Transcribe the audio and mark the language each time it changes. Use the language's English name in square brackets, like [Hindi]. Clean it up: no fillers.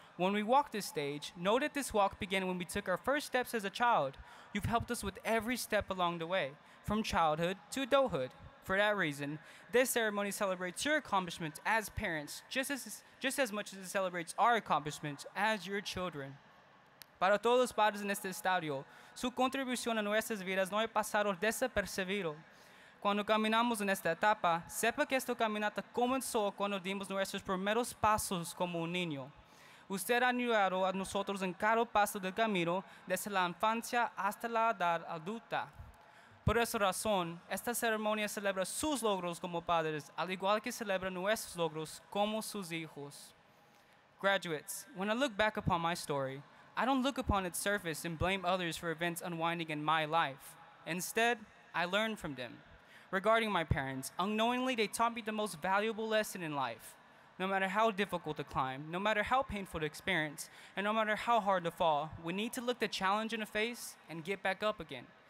[English] When we walk this stage, know that this walk began when we took our first steps as a child. You've helped us with every step along the way, from childhood to adulthood. For that reason, this ceremony celebrates your accomplishments as parents just as much as it celebrates our accomplishments as your children. [Spanish] Para todos los padres en este estadio, su contribución a nuestras vidas no ha pasado desapercibido. Cuando caminamos en esta etapa, sepa que esta caminata comenzó cuando dimos nuestros primeros pasos como un niño. Usted ha ayudado a nosotros en cada paso del camino, desde la infancia hasta la edad adulta. Por esa razón, esta ceremonia celebra sus logros como padres, al igual que celebra nuestros logros como sus hijos. [English] Graduates, when I look back upon my story, I don't look upon its surface and blame others for events unwinding in my life. Instead, I learn from them. Regarding my parents, unknowingly they taught me the most valuable lesson in life. No matter how difficult to climb, no matter how painful to experience, and no matter how hard to fall, we need to look the challenge in the face and get back up again.